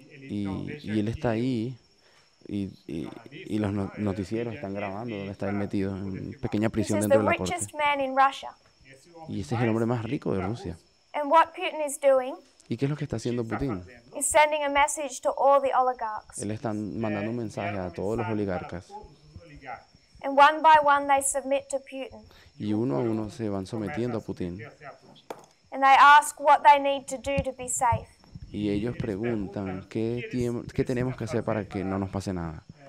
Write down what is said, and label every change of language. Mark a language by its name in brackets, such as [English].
[Spanish] Y él está ahí y los noticieros están grabando donde está él metido en pequeña prisión dentro de la corte. [English] This is the richest man in Russia. [Spanish] Y ese es el hombre más rico de Rusia. [English] And what Putin is doing? [Spanish] ¿Y qué es lo que está haciendo Putin? [English] He's sending a message to all the oligarchs. [Spanish] Él está mandando un mensaje a todos los oligarcas. [English] And one by one they submit to Putin. [Spanish] Y uno a uno se van sometiendo a Putin. [English] And they ask what they need to do to be safe. [Spanish] Y ellos preguntan qué tenemos que hacer para que no nos pase nada.